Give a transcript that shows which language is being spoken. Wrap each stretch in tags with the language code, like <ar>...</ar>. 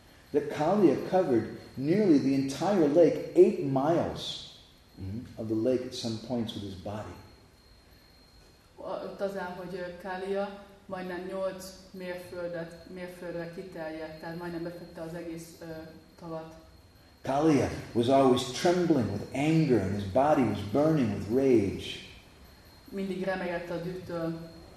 <en>That Kaliya covered nearly the entire lake, 8 miles of the lake at some points with his body.</en> <hu>Tazán, hogy Kaliya majdnem 8 mérföldre kiterjedt, tehát majdnem befette az egész tavat.</hu> <en>Kaliya was always trembling with anger and his body was burning with rage.</en> <hu>Mindig remegett a dühtől.</hu>